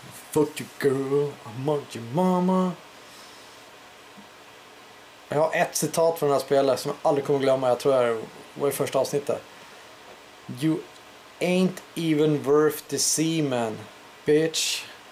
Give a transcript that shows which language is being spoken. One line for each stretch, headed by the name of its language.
English: Fuck you girl, I'm on your mama.
Swedish: Jag har ett citat från det här spelet som jag aldrig kommer glömma. Jag tror det var i första avsnittet.
English: You ain't even worth the semen, bitch.